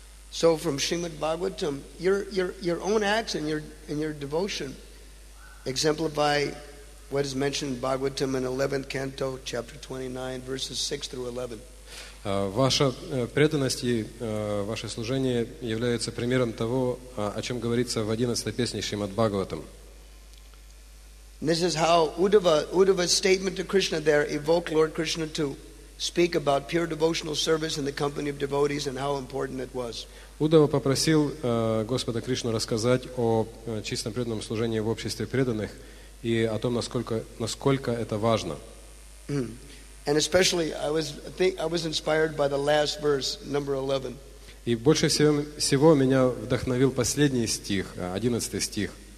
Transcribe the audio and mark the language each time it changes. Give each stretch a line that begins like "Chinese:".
English: So from Srimad Bhagavatam, your own acts and your devotion exemplify what is mentioned in Bhagavatam in 11th canto, chapter 29, verses 6 through 11.
Russian: Ваша преданность и ваше служение являются примером того, о чем говорится в 11-й песне Шримад Бхагаватам.
English: This is how Uddhava's statement to Krishna there evoked Lord Krishna to speak about pure devotional service in the company of devotees and how important it was.
Russian: Уддхава попросил Господа Кришну рассказать о чистом преданном служении в обществе преданных и о том, насколько это важно.
English: And especially, I was inspired by the last verse, number 11.
Russian: И больше всего меня вдохновил последний стих, 11 стих.